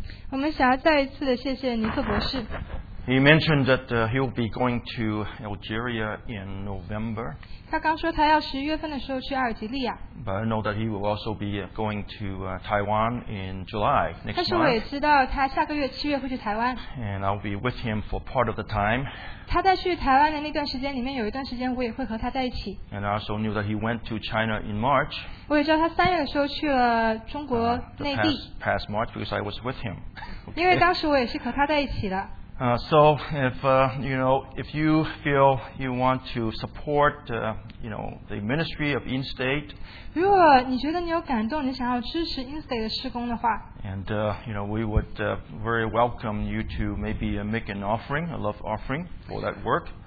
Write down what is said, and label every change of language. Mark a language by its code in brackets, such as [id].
[zh] 我们想要再一次的谢谢尼克博士。 [en] He mentioned that he'll be going to Algeria in November. [zh] 他刚说他要十月份的时候去阿尔及利亚。 [en] But I know that he will also be going to Taiwan in July next month. [zh] 但是我也知道他下个月七月会去台湾。 [en] And I'll be with him for part of the time. [zh] 他在去台湾的那段时间里面有一段时间我也会和他在一起。 [en] And I also knew that he went to China in March. [zh] 我也知道他三月的时候去了中国内地。 [en] Past March because I was with him. Okay. [zh] 因为当时我也是和他在一起的。 [en] So if you feel you want to support the ministry of InState, [zh] 如果你觉得你有感动，你想要支持InState的施工的话， [en] and we would very welcome you to maybe make an offering, a love offering for that work.